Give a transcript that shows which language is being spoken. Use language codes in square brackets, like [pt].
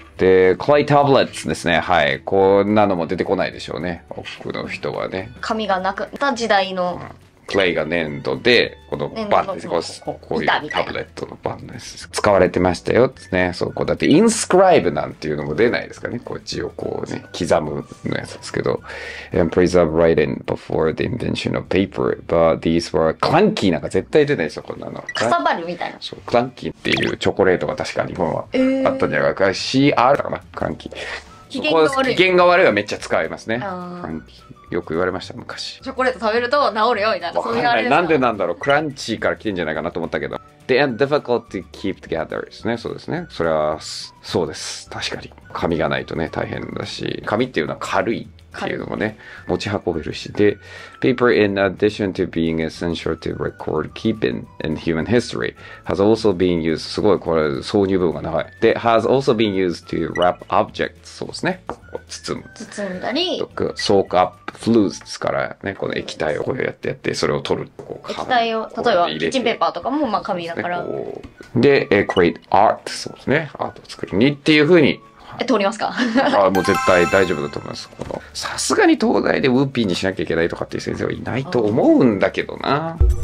[ja] で、クレイタブレットですね。はい、こんなのも出てこないでしょうね、奥の人はね。紙がなくった時代の、うん、クレイが粘土で、このバンです。こういうタブレットのバンです。使われてましたよってね。そう、こうだって、インスクライブなんていうのも出ないですかね。こう字をこうね、刻むのやつですけど。 [en] And preserve writing before the invention of paper, but these were clunky. [ja] なんか絶対出ないですよ、こんなの。かさばるみたいな。そう、クランキーっていうチョコレートが確か日本はあったんじゃないか。 CR だかな、クランキー。機嫌が悪い。機嫌が悪いはめっちゃ使いますね。クランキー。よく言われました、昔。チョコレート食べると治るよみたいな。わかんない。なんでなんだろう。クランチーから来てんじゃないかなと思ったけど。 [en] The end difficult to keep together [ja] ですね。そうですね。それは、そうです。確かに。紙がないとね、大変だし。紙っていうのは軽いっていうのもね、持ち運べるし。 [en] で、paper in addition to being essential to record keeping in human history has also been used, [ja] すごい、これ挿入部が長い。 [en] で、has also been used to wrap objects, [ja] そうですね。包む。包んだり。 [en] soak up. [ja] Fluids ですからね、この液体をこうやってやって、それを取る。こう液体を、例えばキッチンペーパーとかもまあ紙だから。で、 [en] create art、 [ja] そうですね、アートを作るにっていう風に。通りますか。あ、もう絶対大丈夫だと思います。このさすがに東大でウーピーにしなきゃいけないとかっていう先生はいないと思うんだけどな。